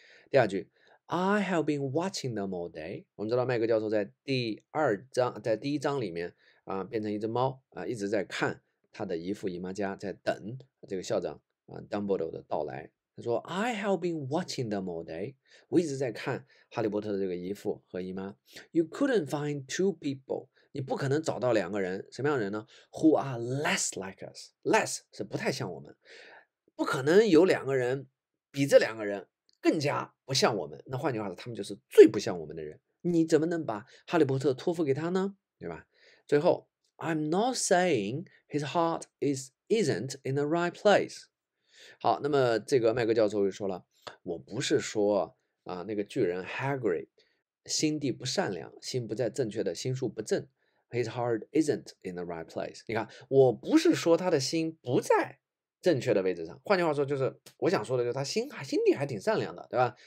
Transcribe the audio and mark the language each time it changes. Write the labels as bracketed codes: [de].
[zh] 第二句， [en] I have been watching them all day。 [zh] 我们知道麦格教授在第二章，在第一章里面啊，变成一只猫啊，一直在看他的姨父姨妈家，在等这个校长啊 Dumbledore 的到来。他说 [en] I have been watching them all day， [zh] 我一直在看哈利波特的这个姨父和姨妈。 [en] You couldn't find two people， [zh] 你不可能找到两个人，什么样的人呢？ [en] Who are less like us， [zh] less 是不太像我们，不可能有两个人比这两个人更加不像我们，那换句话说，他们就是最不像我们的人。你怎么能把哈利波特托付给他呢？对吧？最后 [en] ，I'm not saying his heart isn't in the right place。 [zh] 好，那么这个麦格教授又说了，我不是说啊，那个巨人 Hagrid 心地不善良，心不在正确的，心术不正。 [en] His heart isn't in the right place。 [zh] 你看，我不是说他的心不在。正确的位置上，换句话说就是我想说的，就是他心地还挺善良的，对吧？